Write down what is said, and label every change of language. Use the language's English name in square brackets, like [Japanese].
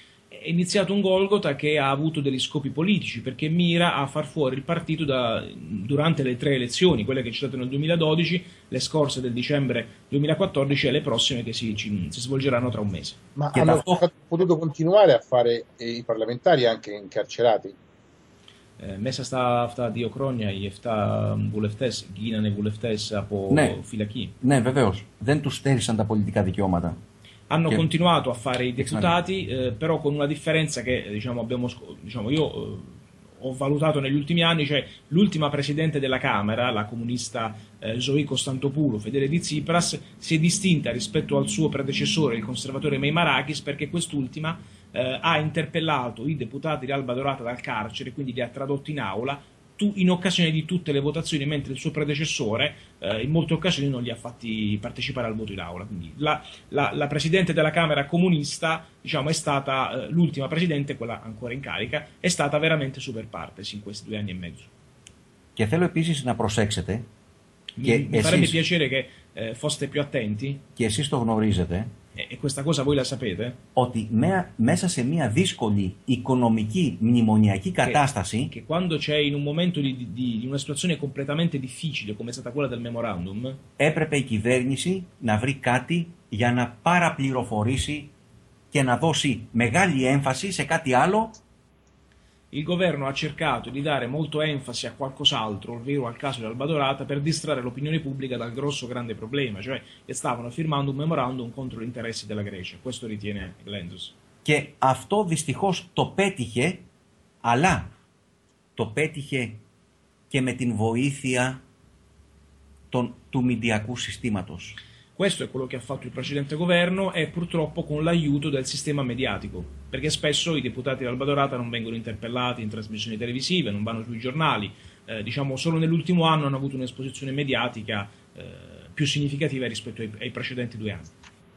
[Italian] È iniziato un Golgota che ha avuto degli scopi politici, perché mira a far fuori il partito durante le tre elezioni, quelle che ci sono state nel 2012, le scorse del dicembre 2014 e le prossime che si svolgeranno tra un mese. Ma hanno potuto continuare a fare i parlamentari anche incarcerati? [Greek] Μέσα στα αυτά δύο χρόνια οι 7 βουλευτές γίνανε βουλευτές από φυλακή. Ναι, βεβαίως. Δεν τους στέρισαν τα πολιτικά δικαιώματα. [Italian] Hanno continuato a fare i deputati, però con una differenza che io ho valutato negli ultimi anni, cioè l'ultima presidente della Camera, la comunista Zoe Constantopoulou, fedele di Tsipras, si è distinta rispetto al suo predecessore, il conservatore Meimarakis, perché quest'ultima ha interpellato i deputati di Alba Dorata dal carcere, quindi li ha tradotti in aula in occasione di tutte le votazioni, mentre il suo predecessore in molte occasioni non li ha fatti partecipare al voto in aula. Quindi la presidente della Camera comunista, è stata l'ultima presidente, quella ancora in carica, è stata veramente super partes in questi 2 anni e mezzo. [Greek] Che θέλω επίσης να προσέξετε, [Italian] mi farebbe piacere che foste più attenti. [Greek] Και εσείς το γνωρίζετε. [Italian] E questa cosa voi la sapete? [Greek] Ότι μέσα σε μια δύσκολη οικονομική μνημονιακή κατάσταση. [Italian] Che quando c'è in un momento di una situazione completamente difficile, come è stata quella del memorandum. [Greek] Έπρεπε η κυβέρνηση να βρει κάτι για να παραπληροφορήσει και να δώσει μεγάλη έμφαση σε κάτι άλλο. [Italian] Il governo ha cercato di dare molto enfasi a qualcos'altro, ovvero al caso di Alba Dorata, per distrarre l'opinione pubblica dal grosso grande problema, cioè che stavano firmando un memorandum contro gli interessi della Grecia. Questo ritiene Lenzos. [Greek] Και αυτό δυστυχώς το πέτυχε, αλλά το πέτυχε και με την βοήθεια του μηδιακού συστήματος. [Italian] Questo è quello che ha fatto il precedente governo e purtroppo con l'aiuto del sistema mediatico, perché spesso i deputati di Alba Dorata non vengono interpellati in trasmissioni televisive, non vanno sui giornali, solo nell'ultimo anno hanno avuto un'esposizione mediatica più significativa rispetto ai precedenti 2 anni.